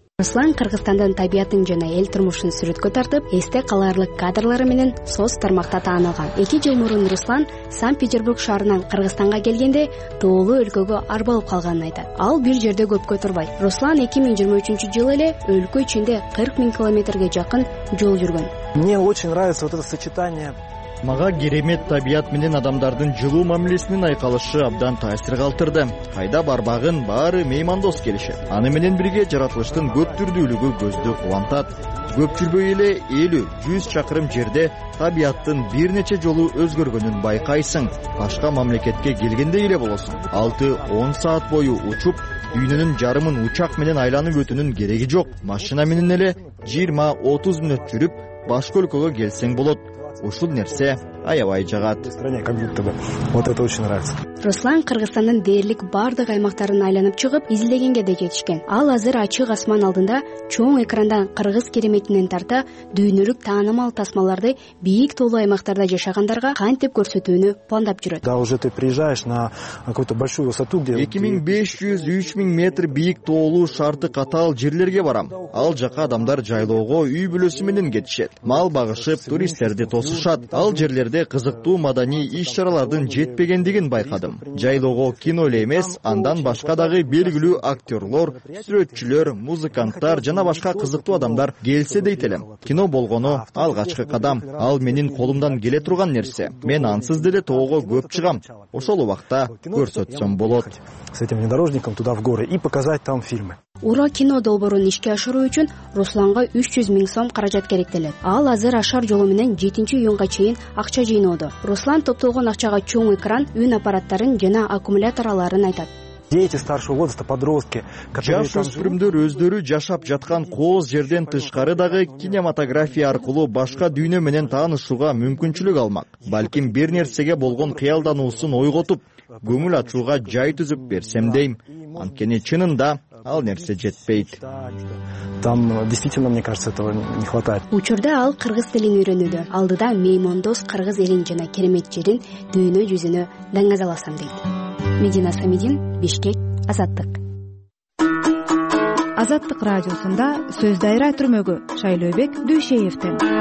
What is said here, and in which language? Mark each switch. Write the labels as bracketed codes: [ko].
[ky] Руслан Кыргызстандын табиятын жана эл турмушун сүрөткө тартып, эсте каларлык кадрлары менен соц тармакта таанылган. 2 жыл мурун Руслан Санкт-Петербург шаарынан Кыргызстанга келгенде тоолуу өлкөгө арбалып калганын айтат. Ал бир жерде көпкө турбайт. Руслан 2023-жылы эле өлкө ичинде 40 000 км жакын жол жүргөн. [ru] Мне очень нравится вот это сочетание. [ky] Мага керемет табият менен адамдардын жылуу мамилесинин айкалышы абдан таасир калтырды. Кайда барбагын баары меймандос келишет. Аны менен бирге жаратылыштын көп түрдүүлүгү көздү кубантат. Көп жүрбөй эле 50-100 чакырым жерде табияттын бир нече жолу өзгөргөнүн байкайсың. Башка мамлекетке келгенде эле болосуң. 6-10 саат бою учуп, дүйнөнүн жарымын учак менен айланып өтүүнүн кереги жок. Машина менен эле 20-30 мүнөт жүрүп, башка өлкөгө келсең болот. Ушул нерсе аябай жагат. [ru] Вот это очень нравится. [ky] Руслан Кыргызстандын дээрлик бардык аймактарын айланып чыгып, изилдегенге да жетишкен. Ал азыр ачык асман алдында чоң экрандан кыргыз кереметинен тарта дүйнөлүк таанымал тасмаларды бийик тоолуу аймактарда жашагандарга кантип көрсөтүүнү пландап жүрөт. [ru] Да уже ты приезжаешь на какую-то большую высоту, где [ky] 2500-3000 метр бийик тоолуу шарты катаал жерлерге барам. Ал жака адамдар жайлоого үй бүлөсү менен кетишет. Мал багышып, туристтерди тосушат. Ал жерлерде кызыктуу маданий иш-чаралардын жетпегендигин байкадым. Жайлоого кино эле эмес, андан башка дагы белгилүү актёрлор, сүрөтчүлөр, музыканттар жана башка кызыктуу адамдар келсе дейт элем. Кино болгону алгачкы кадам. Ал менин колумдан келе турган нерсе. Мен ансыз деле тоого көп чыгам. Ошол убакта көрсөтсөм болот. [ru] С этим внедорожником туда в горы и показать там фильмы. [ky] Ура кино долбоорун ишке ашыруу үчүн Русланга 300 000 сом каражат керектелет. Ал азыр ашар жолу менен 7-июнга чейин акча жыйноодо. Руслан топтолгон акчага чоң экран, үн аппараттарын жана аккумуляторларын айтат. [ru] Дети старшего возраста, подростки, [ky] жаш өспүрүмдөр өздөрү жашап жаткан кооз жерден тышкары дагы кинематография аркылуу башка дүйнө менен таанышууга мүмкүнчүлүк алмак. Балким бир нерсеге болгон кыялдануусун ойготуп, көңүл ачууга жай түзүп берсем дейм. Анткени чынында ал нерсе жетпейт. [ru] Там действительно, мне кажется, этого не хватает. [ky] Учурда ал кыргыз тилин үйрөнүүдө. Алдыда меймандос кыргыз элин жана керемет жерин дүйнө жүзүнө даңгазаласам дейт. Медина Самидин, Бишкек, Азаттык. Азаттык радиосунда сөз дайра түрмөгү Шайлообек Дүйшеевтен.